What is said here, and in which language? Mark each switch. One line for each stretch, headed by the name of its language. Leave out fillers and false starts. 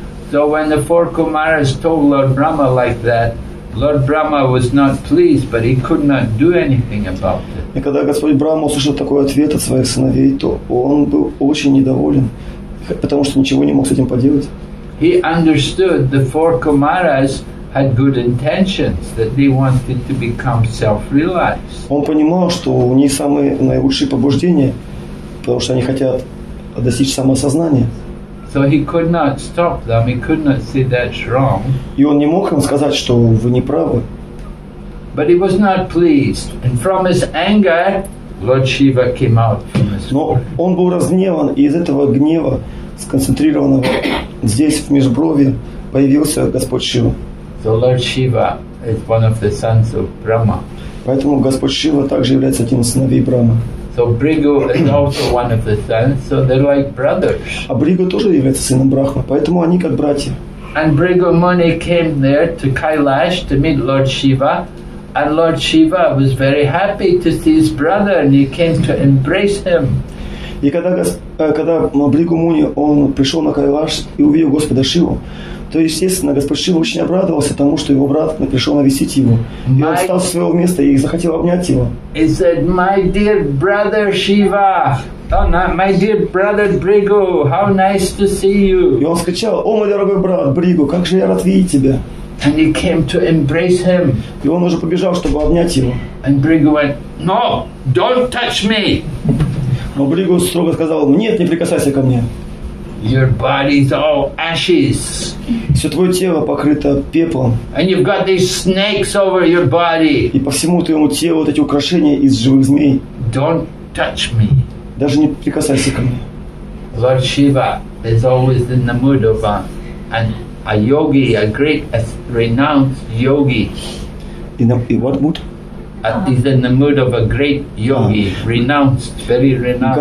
English: So when the four Kumaras told Lord Brahma like that, Lord Brahma was not pleased, but he could not do anything about it.
Russian: И когда Господь Брахма услышал такой ответ от своих сыновей, то он был очень недоволен, потому что ничего не мог с этим поделать.
English: He understood the four Kumaras had good intentions, that they wanted to become self-realized.
Russian: Он понимал, что у них самые наилучшие побуждения, потому что они хотят а достичь самосознания.
English: So he could not stop them. He could not say that's wrong.
Russian: И он не мог им сказать, что вы не правы.
English: But he was not pleased, and from his anger, Lord Shiva came out from his.
Russian: Но он был разгневан, и из этого гнева, сконцентрированного здесь в межброви, появился Господь Шива.
English: So Lord Shiva is one of the sons of Brahma.
Russian: Поэтому Господь Шива также является одним из сыновей Брахмы.
English: So Bhrigu is also one of the sons, so they're like brothers.
Russian: А Бригу тоже является сыном Брахмы, поэтому они как братья.
English: And Bhrigu Muni came there to Kailash to meet Lord Shiva, and Lord Shiva was very happy to see his brother, and he came to embrace him.
Russian: И когда Бригу Муни он пришел на Кайлаш и увидел Господа Шиву, то естественно Господь Шива очень обрадовался тому, что его брат пришел навестить его, и он встал со своего места и захотел обнять его.
English: He said, "My dear brother Shiva, my dear brother Bhrigu, how nice to see you."
Russian: И он вскричал: "О мой дорогой брат Бригу, как же я рад видеть тебя!"
English: And he came to embrace him.
Russian: И он уже побежал, чтобы обнять его.
English: And Bhrigu went, "No, don't touch me."
Russian: Но Бригу строго сказал: "Нет, не прикасайся ко мне.
English: Your body's all ashes.
Russian: Все твое тело покрыто пеплом.
English: And you've got these snakes over your body.
Russian: И по всему твоему телу вот эти украшения из живых змей.
English: Don't touch me.
Russian: Даже не прикасайся ко мне."
English: Lord Shiva is always in the mood of a yogi, a great, a renowned yogi. He's in the mood of a great yogi, renounced, very renowned.